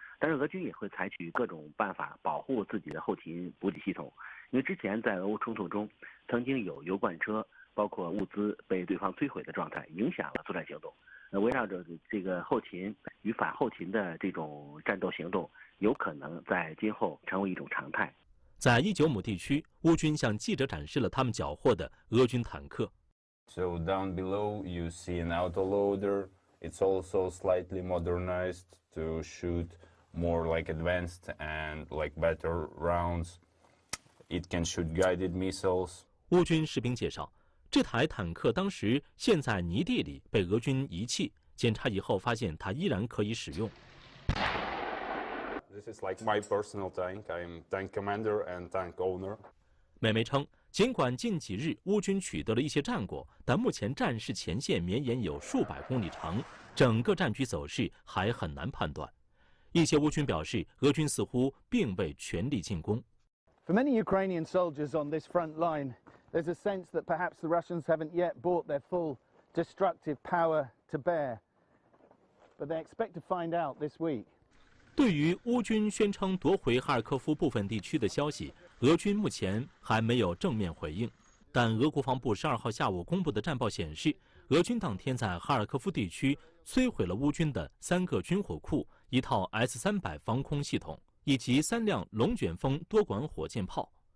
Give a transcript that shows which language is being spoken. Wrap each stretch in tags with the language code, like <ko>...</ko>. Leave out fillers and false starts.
<zh>但是俄军也会采取各种办法保护自己的后勤补给系统，因为之前在俄乌冲突中曾经有油罐车包括物资被对方摧毁的状态，影响了作战行动。围绕着这个后勤与反后勤的这种战斗行动，有可能在今后成为一种常态。在伊久姆地区，乌军向记者展示了他们缴获的俄军坦克。</zh> <en>So down below you see an autoloader. It's also slightly modernized to shoot more like advanced and like better rounds. It can shoot guided missiles.</en> <zh>乌军士兵介绍，这台坦克当时陷在泥地里，被俄军遗弃。检查以后发现它依然可以使用。</zh> <en>This is like my personal tank. I'm tank commander and tank owner.</en> <zh>美媒称，尽管近几日乌军取得了一些战果，但目前战事前线绵延有数百公里长，整个战局走势还很难判断。一些乌军表示，俄军似乎并未全力进攻。</zh> <en>For many Ukrainian soldiers on this front line, there's a sense that perhaps the Russians haven't yet brought their full destructive power to bear, but they expect to find out this week.</en> <zh>对于乌军宣称夺回哈尔科夫部分地区的消息，俄军目前还没有正面回应，但俄国防部12号下午公布的战报显示，俄军当天在哈尔科夫地区摧毁了乌军的3个军火库、一套 S-300 防空系统以及3辆龙卷风多管火箭炮。</zh>